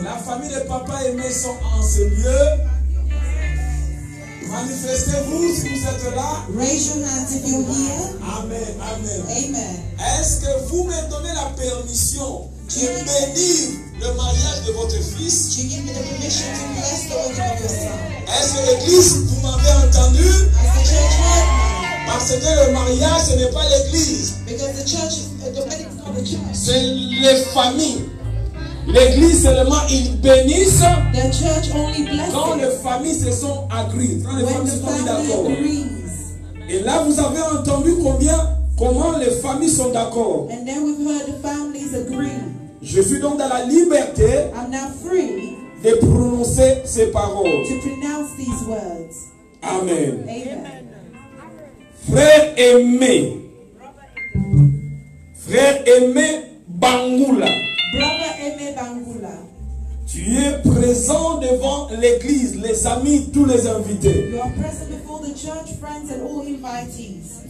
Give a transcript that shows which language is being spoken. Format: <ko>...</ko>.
<fr>La famille de papa aimé sont en ce lieu. Manifestez-vous si vous êtes là.</fr> <en>Raise your hands if you're here. Amen, amen. Amen.</en> <fr>Est-ce que vous me donnez la permission de bénir le mariage de votre fils?</fr> <en>Do you give me the permission to bless the wedding of your son?</en> <fr>Est-ce que l'église, vous m'avez entendu?</fr> <en>Has the church heard me?</en> <fr>Parce que le mariage, ce n'est pas l'église.</fr> <en>Because the church is the wedding, not the church.</en> <fr>C'est les familles. L'église seulement ils bénissent.</fr> <en>The church only blesses.</en> <fr>Quand les familles se sont agrées, quand les familles sont d'accord.</fr> <en>Agrees.</en> <fr>Et là vous avez entendu comment les familles sont d'accord.</fr> <en>And then we've heard the families agree.</en> <fr>Je suis donc dans la liberté.</fr> <en>I'm now free</en> <fr>de prononcer ces paroles.</fr> <en>To pronounce these words. Amen. Amen.</en> <fr>Frère aimé, Bangula.</fr> <en>Brother Aimé Bangula. Tu es présent devant l'église, les amis, tous les invités. You are present before the church, friends, and all invitees.</en>